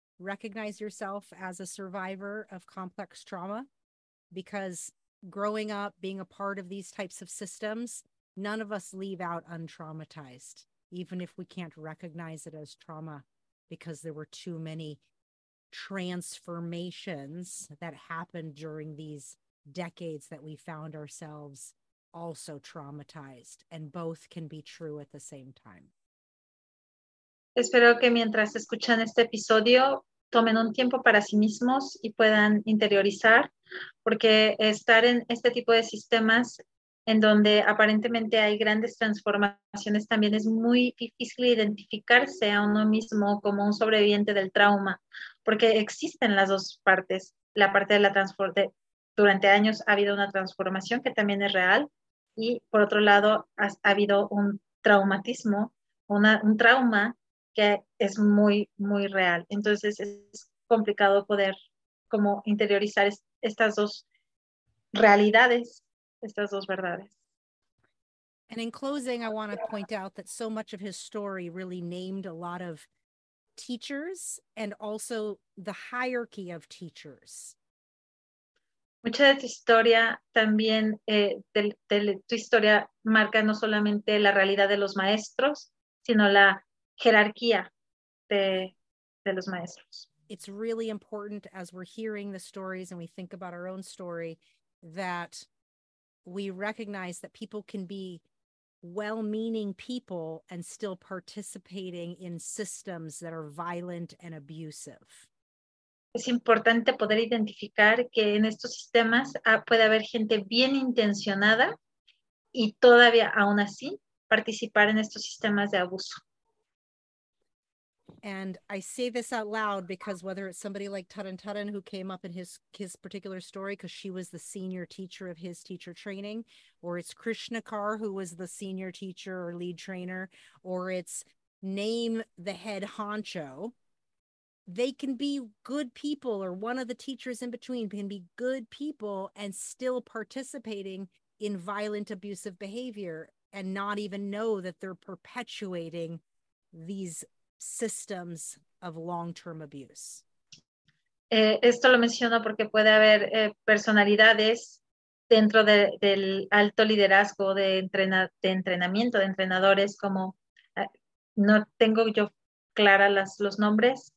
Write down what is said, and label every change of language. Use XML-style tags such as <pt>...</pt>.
<en>Recognize yourself as a survivor of complex trauma, because growing up, being a part of these types of systems, none of us leave out untraumatized, even if we can't recognize it as trauma, because there were too many transformations that happened during these decades that we found ourselves also traumatized, and both can be true at the same time.</en> <es>Espero que mientras escuchan este episodio, tomen un tiempo para sí mismos y puedan interiorizar, porque estar en este tipo de sistemas en donde aparentemente hay grandes transformaciones, también es muy difícil identificarse a uno mismo como un sobreviviente del trauma, porque existen las dos partes, la parte de la durante años ha habido una transformación que también es real, y por otro lado ha habido un traumatismo, un trauma que es muy, muy real. Entonces es complicado poder como interiorizar estas dos realidades, estas dos verdades.</es> <en>And in closing, I want to point out that so much of his story really named a lot of teachers and also the hierarchy of teachers.</en> <es>Mucha de tu historia también, tu historia marca no solamente la realidad de los maestros, sino la jerarquía de los maestros.</es> <en>It's really important as we're hearing the stories and we think about our own story that we recognize that people can be well-meaning people and still participating in systems that are violent and abusive.</en> <es>Es importante poder identificar que en estos sistemas puede haber gente bien intencionada y todavía aún así participar en estos sistemas de abuso.</es> <en>And I say this out loud because whether it's somebody like Tutten Tutten who came up in his particular story because she was the senior teacher of his teacher training, or it's Krishna Kar who was the senior teacher or lead trainer, or it's name the head honcho, they can be good people, or one of the teachers in between can be good people and still participating in violent abusive behavior and not even know that they're perpetuating these systems of long-term abuse.</en> <es>Esto lo menciono porque puede haber personalidades dentro del alto liderazgo de entrenadores como no tengo yo clara los nombres.</es>